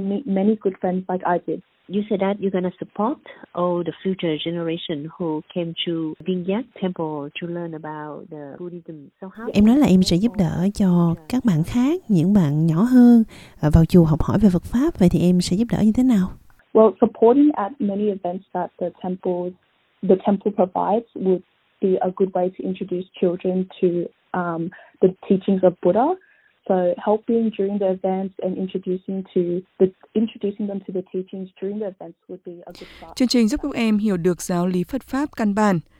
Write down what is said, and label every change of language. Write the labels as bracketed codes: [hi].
[en] You said that you're going to support all the future generation who came to Vinyat Temple to learn about the Buddhism. So how? [vi] Em nói là em sẽ giúp đỡ cho các bạn khác, những bạn nhỏ hơn vào chùa học hỏi về Phật pháp. Vậy thì em sẽ giúp đỡ như thế nào? [en] Well, supporting at many events that the temple provides would be a good way to introduce children to the teachings of Buddha. So helping during the events and introducing them to the teachings during the events would be a good start. [vi] Chương trình giúp các em hiểu được giáo lý Phật pháp căn bản.